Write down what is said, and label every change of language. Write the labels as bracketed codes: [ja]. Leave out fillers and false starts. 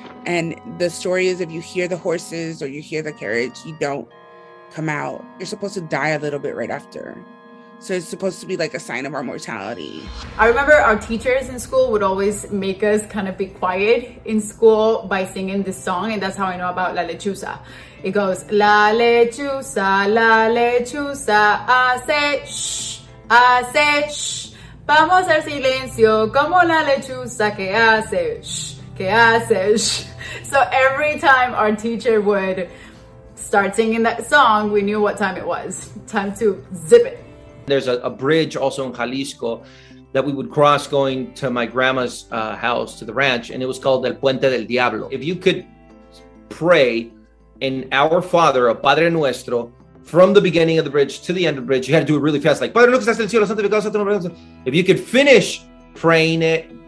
[en] And the story is if you hear the horses or you hear the carriage, you don't come out. You're supposed to die a little bit right after. So it's supposed to be like a sign of our mortality. I remember our teachers in school would always make us kind of be quiet in school by singing this song. And that's how I know about La Lechuza. It goes, [es] la lechuza, hace shh, hace shh. Vamos al silencio, como la lechuza, que hace shh, que hace shh. [en] So every time our teacher would start singing that song, we knew what time it was. Time to zip it. There's a bridge also in Jalisco that we would cross going to my grandma's house, to the ranch, and it was called El Puente del Diablo. If you could pray in Our Father, a Padre Nuestro, from the beginning of the bridge to the end of the bridge, you had to do it really fast, like, Padre, look, if you could finish praying it.